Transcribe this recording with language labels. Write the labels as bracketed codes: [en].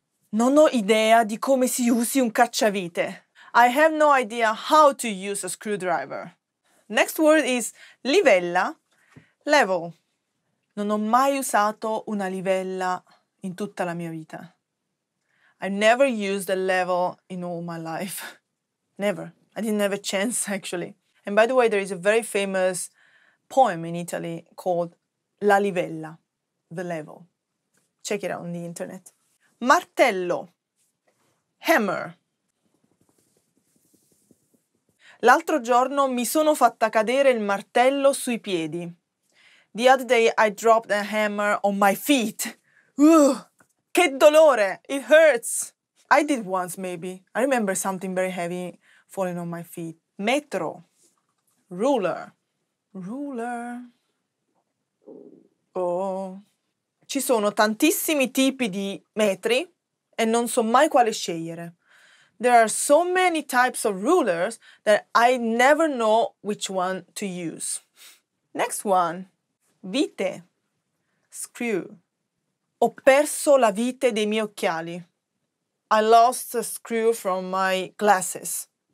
[it] Non ho idea di come si usi un cacciavite. [en] I have no idea how to use a screwdriver. Next word is livella, level. [it] Non ho mai usato una livella in tutta la mia vita. [en] I've never used a level in all my life. Never. I didn't have a chance, actually. And by the way, there is a very famous poem in Italy called La Livella, The Level. Check it out on the internet. Martello. Hammer. [it] L'altro giorno mi sono fatta cadere il martello sui piedi. [en] The other day I dropped a hammer on my feet. Ugh. [it] Che dolore! [en] It hurts! I did once, maybe. I remember something very heavy falling on my feet. Metro. Ruler. Ruler. Oh. [it] Ci sono tantissimi tipi di metri e non so mai quale scegliere. [en] There are so many types of rulers that I never know which one to use. Next one. Vite. Screw. [it] Ho perso la vite dei miei occhiali. [en] I lost a screw from my glasses.